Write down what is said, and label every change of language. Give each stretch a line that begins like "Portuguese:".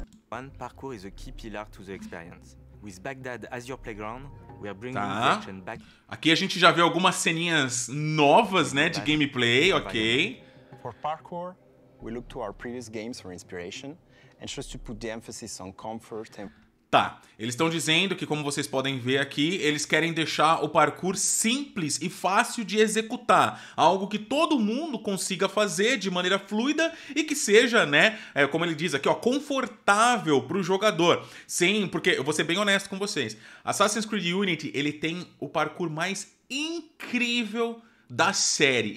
English: One parkour is a key pillar to the experience. With Baghdad as your playground, we are bringing action back.
Portuguese: Aqui a gente já vê algumas ceninhas novas, né, de gameplay, ok.
English: For parkour, we look to our previous games for inspiration and just to put the emphasis on comfort and...
Portuguese: Tá, eles estão dizendo que, como vocês podem ver aqui, eles querem deixar o parkour simples e fácil de executar. Algo que todo mundo consiga fazer de maneira fluida e que seja, né, como ele diz aqui, ó, confortável pro jogador. Sim, porque eu vou ser bem honesto com vocês. Assassin's Creed Unity, ele tem o parkour mais incrível da série.